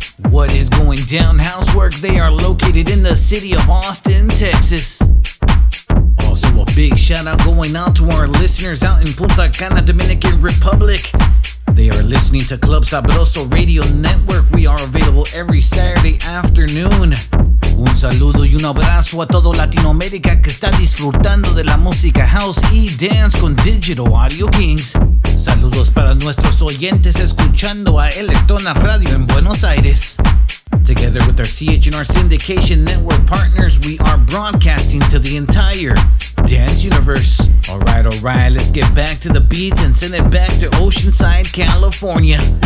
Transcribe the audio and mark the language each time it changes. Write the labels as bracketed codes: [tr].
[en] What is going down, Houseworks? They are located in the city of Austin, Texas. Also, a big shout out going out to our listeners out in Punta Cana, Dominican Republic. They are listening to Club Sabroso Radio Network. We are available every Saturday afternoon. [es] Un saludo y un abrazo a todo Latinoamérica que está disfrutando de la música house y dance con Digital Audio Kings. Saludos para nuestros oyentes escuchando a Electrona Radio en Buenos Aires. [en] Together with our CHNR syndication network partners, we are broadcasting to the entire dance universe. Alright, let's get back to the beats and send it back to Oceanside, California.